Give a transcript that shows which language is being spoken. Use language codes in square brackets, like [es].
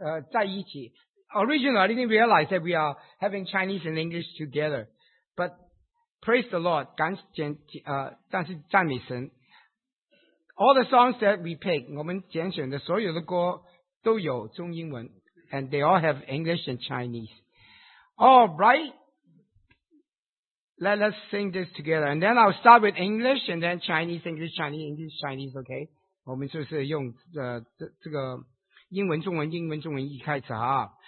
[zh] 在一起 [en] Originally I didn't realize that we are having Chinese and English together But praise the Lord [zh] 但是赞美神 [en] All the songs that we pick [zh] 我们拣选的所有的歌都有中英文 [en] And they all have English and Chinese. All right. Let us sing this together. And then I'll start with English and then Chinese, English, Chinese, English, Chinese, okay? [zh] 我们就是用这个英文中文英文中文一开始啊。